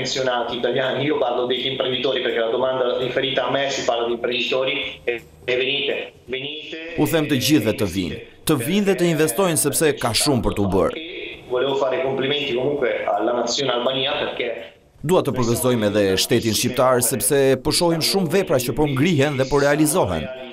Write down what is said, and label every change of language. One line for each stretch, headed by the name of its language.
Italian: pensionati italiani, io parlo degli imprenditori perché la domanda riferita a me si parla di imprenditori e venite, venite.
Albanian: U them të gjithëve të vinë dhe të investojnë sepse ka shumë për t'u bërë.
Italian: Volevo fare complimenti comunque alla nazione Albania perché
Albanian: dua të përgëzojmë edhe shtetin shqiptar sepse po shohim shumë vepra që po ngrihen dhe po realizohen.